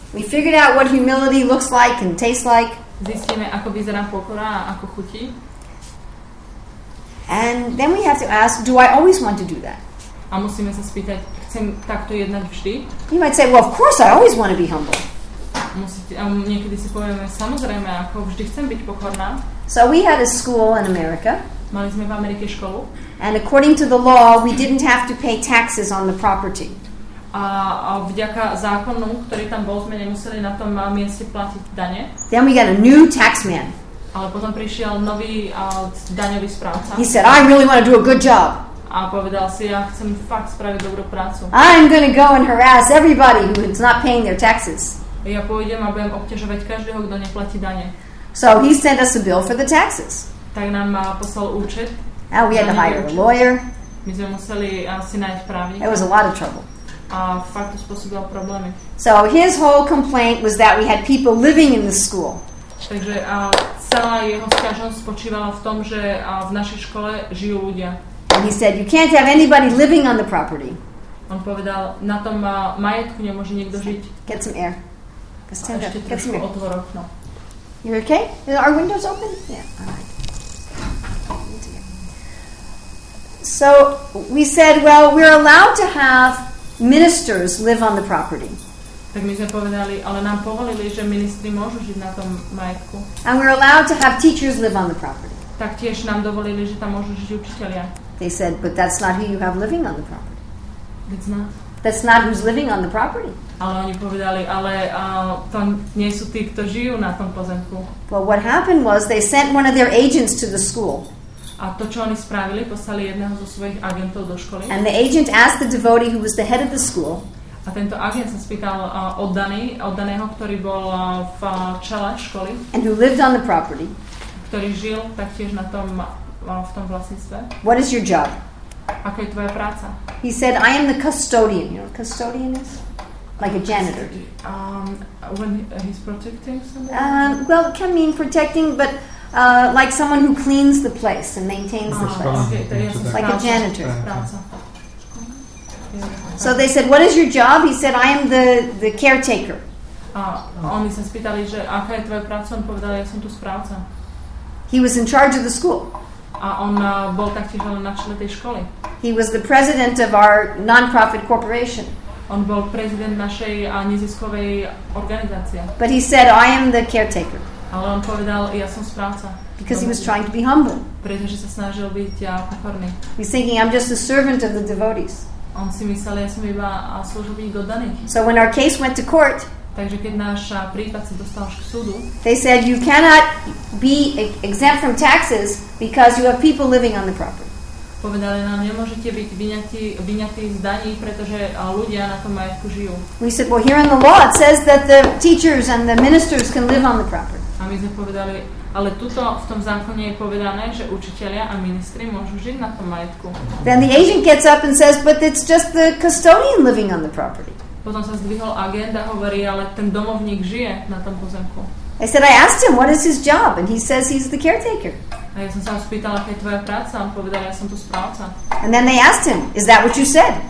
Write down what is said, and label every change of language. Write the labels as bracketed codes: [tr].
[en] We figured out what humility looks like and tastes like. [sk] Zistíme, ako vyzerá pokora a ako chutí. [en] And then we have to ask, do I always want to do that? [sk] A musíme sa spýtať, chcem takto jednať vždy? [en] You might say, well, of course, I always want to be humble. [sk] Niekedy si povieme, samozrejme, ako vždy chcem byť pokorná. [en] So we had a school in America. [sk] Mali sme v Amerike školu. [en] And according to the law, we didn't have to pay taxes on the property. [sk] A vďaka zákonu, ktorý tam bol, sme nemuseli na tom mieste platiť dane. [en] Then we got a new tax man. [sk] Ale potom prišiel nový daňový správca. [en] He said, I really want to do a good job. [sk] A povedal si, ja chcem fakt spraviť dobrú prácu. [en] I'm gonna go and harass everybody who is not paying their taxes. [sk] Ja pôjdem a budem obťažovať každého, kto neplatí dane. [en] So he sent us a bill for the taxes. [sk] Tak nám poslal účet. [en] And we had to hire a lawyer. [sk] My sme museli si nájsť právnika. [en] It was a lot of trouble. [sk] A fakt to spôsobilo problémy. [en] So his whole complaint was that we had people living in the school. [sk] Takže celá jeho sťažnosť spočívala v tom, že v našej škole žijú ľudia. [en] And he said, you can't have anybody living on the property. [sk] On povedal, na tom majetku nemôže nikto žiť. [en] Get some air. Get some air. [sk] Otvor okno. [en] You okay? Are windows open? Yeah. So we said, well, we're allowed to have ministers live on the property. [sk] Tak my sme povedali, ale nám povolili, že ministri môžu žiť na tom majetku. [en] And we're allowed to have teachers live on the property. [sk] Taktiež nám dovolili, že tam môžu žiť učitelia. [en] They said, but that's not who you have living on the property. It's not. That's not who's living on the property. [sk] Ale oni povedali, ale to nie sú tí, kto žijú na tom pozemku. [en] Well, what happened was they sent one of their agents to the school. [sk] A to, čo oni spravili, poslali jedného zo svojich agentov do školy. [en] And the agent asked the devotee who was the head of the school. [sk] A tento agent sa spýtal oddaného, ktorý bol v čele školy. [en] And who lived on the property. [sk] Ktorý žil taktiež na tom v tom vlastníctve. [en] What is your job? [sk] Aká je tvoja práca? [en] He said, I am the custodian. You know, custodian is like a janitor. When he's protecting somebody? Well, it can mean protecting, but like someone who cleans the place and maintains the place. Okay, like a janitor. [sk] Práca. [en] So they said, what is your job? He said, I am the caretaker. [sk] Oni sa spýtali, že aká je tvoja práca? On povedal, ja som tu správca. [en] He was in charge of the school. [sk] A on bol taktiež na čele tej školy. [en] He was the president of our non-profit corporation. [sk] On bol prezident našej neziskovej organizácie. [en] But he said, I am the caretaker. [sk] Ale on povedal, ja som správca. [en] Because he was trying to be humble. [sk] Pretože sa snažil byť pokorný. [en] He's thinking, I'm just a servant of the devotees. [sk] On si myslel, ja som iba služobník oddaných. [en] So when our case went to court, [sk] takže keď náš prípad sa dostal k súdu, [en] they said, you cannot be exempt from taxes because you have people living on the property. [sk] Povedali nám, nemôžete byť vyňatí z daní, pretože ľudia na tom majetku žijú. [en] We said, well, here in the law it says that the teachers and the ministers can live on the property. [sk] A my sme povedali, ale tuto v tom zákone je povedané, že učitelia a ministri môžu žiť na tom majetku. [en] Then the agent gets up and says, but it's just the custodian living on the property. [sk] Potom sa zdvihol agent a hovorí, ale ten domovník žije na tom pozemku. [en] I said, I asked him, what is his job? And he says, he's the caretaker. [sk] A ja som sa ho spýtal, aká je tvoja práca? On povedal, ja som tu správca. [en] And then they asked him, is that what you said?